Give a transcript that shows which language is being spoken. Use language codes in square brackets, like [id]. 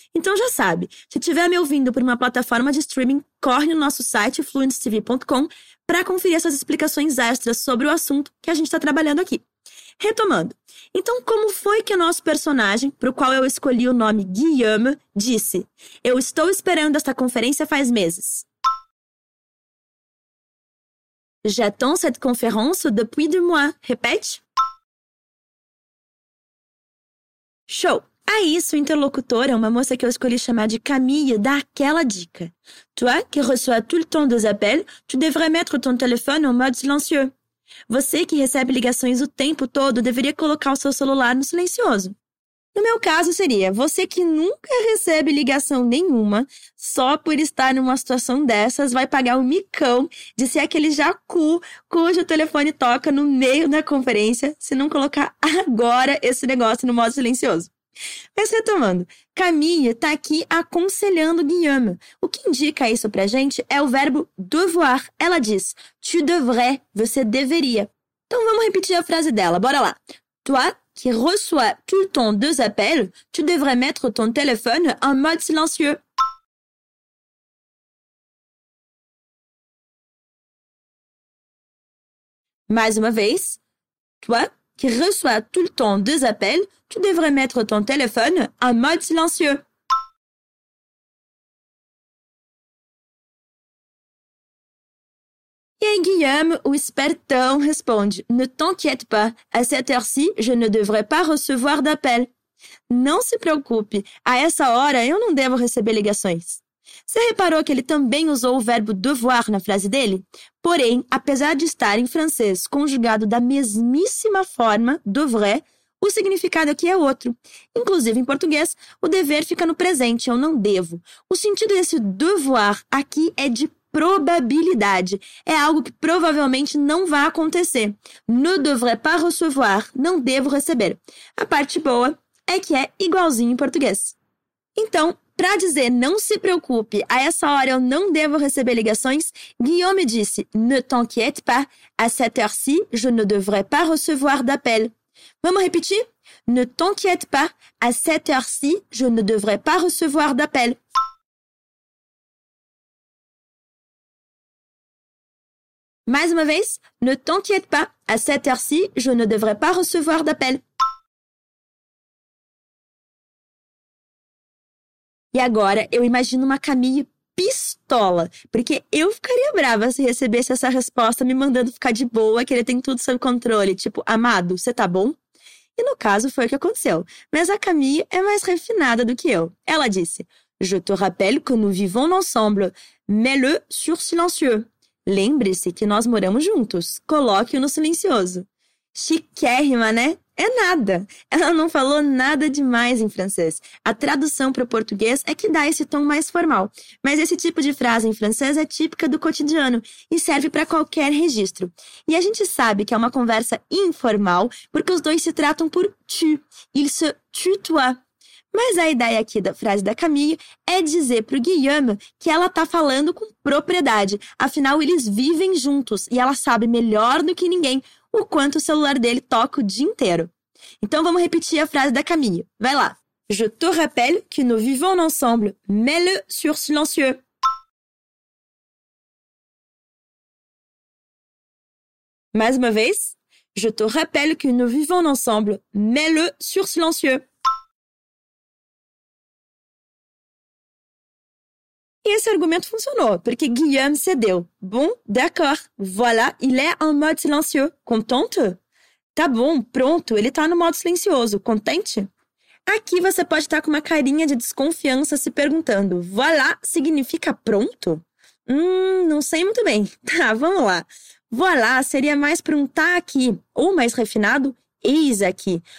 [pt] Então já sabe, se estiver me ouvindo por uma plataforma de streaming, corre no nosso site fluentstv.com para conferir essas explicações extras sobre o assunto que a gente está trabalhando aqui. Retomando, então como foi que o nosso personagem, para o qual eu escolhi o nome Guillaume, disse eu estou esperando esta conferência faz meses? [fr] J'attends cette conférence depuis deux mois. [pt] Repete. Show! Aí, sua interlocutora, uma moça que eu escolhi chamar de Camille, dá aquela dica. [fr] Toi, que reçois tout le temps des appels, tu devrais mettre ton téléphone en mode silencieux. [pt] Você que recebe ligações o tempo todo deveria colocar o seu celular no silencioso. No meu caso seria, você que nunca recebe ligação nenhuma, só por estar numa situação dessas, vai pagar o micão de ser aquele jacu cujo telefone toca no meio da conferência se não colocar agora esse negócio no modo silencioso. Mas retomando, Camille está aqui aconselhando Guillaume. O que indica isso pra gente é o verbo devoir. Ela diz, [fr] tu devrais, [pt] você deveria. Então vamos repetir a frase dela, bora lá. [fr] Toi qui reçois tout le temps des appels, tu devrais mettre ton téléphone en mode silencieux. [pt] Mais uma vez, [fr] toi qui reçois tout le temps des appels, tu devrais mettre ton téléphone en mode silencieux. [pt] E aí, Guillaume, o espertão, responde, [fr] ne t'inquiète pas, à cette heure-ci, je ne devrais pas recevoir d'appel. [pt] Não se preocupe, a essa hora eu não devo receber ligações. Você reparou que ele também usou o verbo devoir na frase dele? Porém, apesar de estar em francês conjugado da mesmíssima forma, devrais, o significado aqui é outro. Inclusive, em português, o dever fica no presente, eu não devo. O sentido desse devoir aqui é de probabilidade. É algo que provavelmente não vai acontecer. [fr] Ne devrais pas recevoir, [pt] não devo receber. A parte boa é que é igualzinho em português. Então, para dizer não se preocupe, a essa hora eu não devo receber ligações, Guillaume disse, [fr] ne t'inquiète pas, à cette heure-ci, je ne devrais pas recevoir d'appel. [pt] Vamos repetir? [fr] Ne t'inquiète pas, à cette heure-ci, je ne devrais pas recevoir d'appel. [pt] Mais uma vez, [fr] ne t'inquiète pas, à cette heure-ci, je ne devrais pas recevoir d'appel. [pt] E agora, eu imagino uma Camille pistola, porque eu ficaria brava se recebesse essa resposta me mandando ficar de boa, que ele tem tudo sob controle, tipo, amado, você tá bom? E no caso, foi o que aconteceu. Mas a Camille é mais refinada do que eu. Ela disse, [fr] je te rappelle que nous vivons ensemble, mets-le sur silencieux. [pt] Lembre-se que nós moramos juntos, coloque-o no silencioso. Chiquérrima, né? É nada. Ela não falou nada demais em francês. A tradução para o português é que dá esse tom mais formal. Mas esse tipo de frase em francês é típica do cotidiano e serve para qualquer registro. E a gente sabe que é uma conversa informal porque os dois se tratam por tu. [fr] Il se tutoie. [pt] Mas a ideia aqui da frase da Camille é dizer para o Guillaume que ela está falando com propriedade. Afinal, eles vivem juntos e ela sabe melhor do que ninguém o quanto o celular dele toca o dia inteiro. Então vamos repetir a frase da Camille. Vai lá. [fr] Je te rappelle que nous vivons ensemble, mets-le sur silencieux. [pt] Mais uma vez. [fr] Je te rappelle que nous vivons ensemble, mets-le sur silencieux. [pt] E esse argumento funcionou, porque Guillaume cedeu. [fr] Bon, d'accord, voilà, il est en mode silencieux. [pt] Contente? Tá bom, pronto, ele tá no modo silencioso. Contente? Aqui você pode estar com uma carinha de desconfiança se perguntando, voilà significa pronto? Não sei muito bem. Tá, vamos lá. Voilà seria mais para um tá aqui, ou mais refinado, eis aqui.